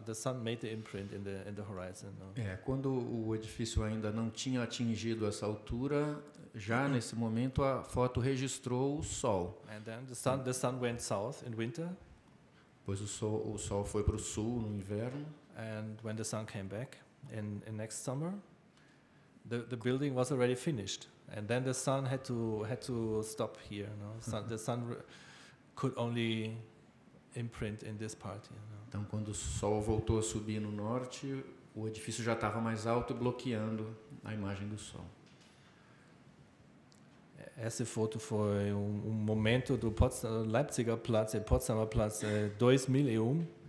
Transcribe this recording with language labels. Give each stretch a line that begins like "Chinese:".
English: the sun made the imprint in the horizon. No?
Portuguese: É, quando o edifício ainda não tinha atingido essa altura, já nesse momento a foto registrou o sol.
English: And then the sun went south in winter.
Portuguese: Pois o sol foi para o sul no inverno.
English: And when the sun came back in next summer, the building was already finished. And then the sun had to stop here. No? Sun, the sun could only imprint in this part. You know?
Portuguese: Então, quando o sol voltou a subir no norte, o edifício já estava mais alto, bloqueando a imagem do sol. Essa foto foi um momento do Leipziger Platz, Potsdamer Platz, 2001.